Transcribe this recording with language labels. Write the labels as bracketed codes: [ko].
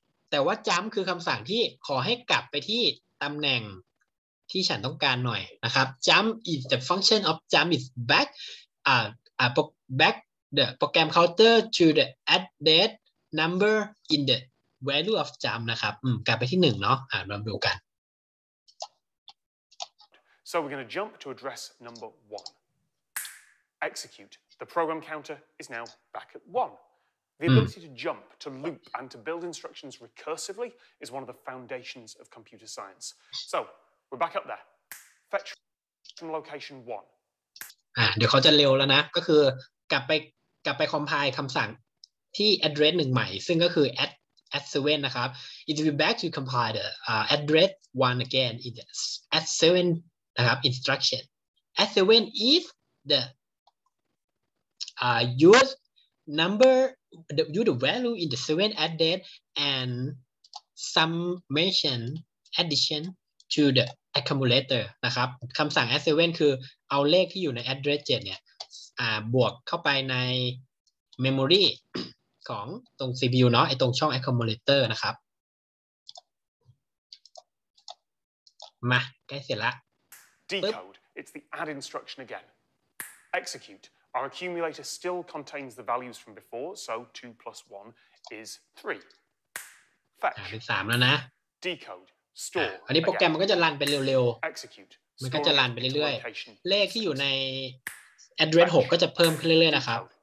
[th] แต่ว่า jump คือคำสั่งที่ขอให้กลับไปที่ตำแหน่งที่ฉันต้องการหน่อยนะครับ [en] jump is the function of jump is back backthe program counter to the address number in the value of jump [th] นะครับกลับไปที่1เนาะมาดูกัน [en] so we're going to jump to address number 1 execute the program counter is now back at 1 the ability to jump to loop and to build instructions recursively is one of the foundations of computer science so we're back up there fetch from location 1 [th] เดี๋ยวเขาจะเร็วแล้วนะก็คือกลับไป compile คำสั่งที่ address 1ใหม่ซึ่งก็คือ [en] at 7 นะครับ it will be back to compile the address 1 again in the at 7 นะครับ instruction at 7 is the use number the use the value in the 7 address and summation addition to the accumulator [th] นะครับคำสั่ง at 7 คือเอาเลขที่อยู่ใน address 7เนี่ยบวกเข้าไปใน memory ของตรง CPU เนาะไอ้ตรงช่อง accumulator นะครับมาใกล้เสร็จแล้ว [en] decode it's the add instruction again execute our accumulator still contains the values from before so 2 plus 1 is 3 fetch [th] เป็น3แล้วนะ [en] decode store [th] อันนี้โปรแกรมมันก็จะรันไปเร็ว [en] ๆ execute [th] มันก็จะรันไปเรื่อยๆเลขที่อยู่ในaddress 6ก็จะเพิ่มขึ้นเรื่อยๆนะครับ